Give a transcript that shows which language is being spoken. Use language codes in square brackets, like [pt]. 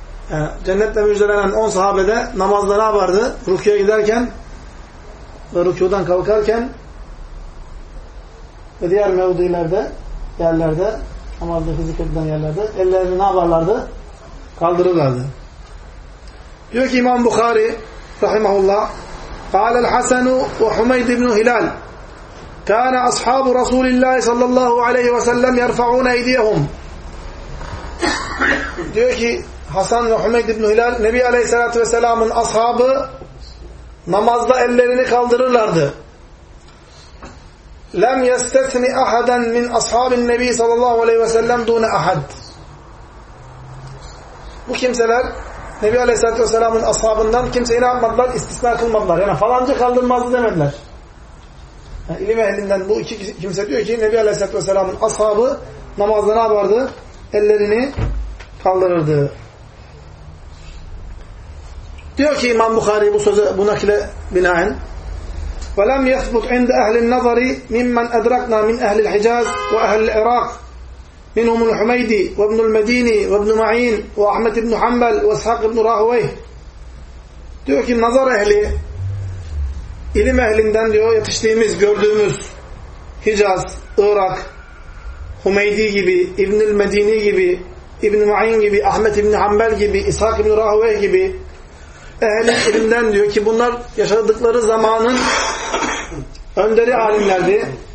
[tr] Yani cennetle müjdelenen 10 sahabede namazda ne vardı? Rükûya giderken ve rükûdan kalkarken ve diğer mevdilerde, yerlerde, namazda fizik edilen yerlerde ellerini ne yaparlardı? Kaldırırlardı. Diyor ki İmam Bukhari rahimahullah [ar] قال الحسن وحميد بن هلال كان أصحاب رسول الله صلى الله عليه وسلم يرفعون أيديهم. [tr] Diyor ki Hasan ve Humeyd ibn Hilal, Nebi Aleyhisselatü Vesselam'ın ashabı namazda ellerini kaldırırlardı. [ar] لَمْ يَسْتَثْنِ أَحَدًا مِنْ أَصْحَابِ النَّبِي صَلَى اللّٰهُ عَلَيْهِ وَسَلَّمْ دُونَ أَحَدٍ. [tr] Bu kimseler Nebi Aleyhisselatü Vesselam'ın ashabından kimseyi ne yapmadılar? İstisna kılmadılar. Yani falanca kaldırmazdı demediler. Yani ilim ehlinden bu iki kimse diyor ki Nebi Aleyhisselatü Vesselam'ın ashabı namazda ne yapardı? Ellerini kaldırırdı. Diyor ki İmam Bukhari bu sözü bu nakile binaen [ar] وَلَمْ يَثْبُتْ عِنْدَ اَهْلِ النَّظَرِ مِمَّنْ اَدْرَقْنَا مِنْ اَهْلِ الْحِجَازِ وَاَهْلِ الْعِرَاقِ مِنْهُمُ الْحُمَيْدِ وَابْنُ الْمَد۪ينِ وَابْنُ مَع۪ينِ وَاَحْمَدِ بْنُ حَنْبَلْ وَاسْحَقِ بْنُ رَاهُوَيْهِ. [tr] Diyor ki nazar ehli, ilim ehlinden diyor yetiştiğimiz, gördüğümüz Hicaz, Irak, Humeydi gibi, İbn-i Medini gibi, İbn-i Ma'in gibi, Ahmet İbn-i Hanbel gibi, İshak İbn-i Rahüveh gibi ehli ilimden diyor ki bunlar yaşadıkları zamanın önderi alimlerdi.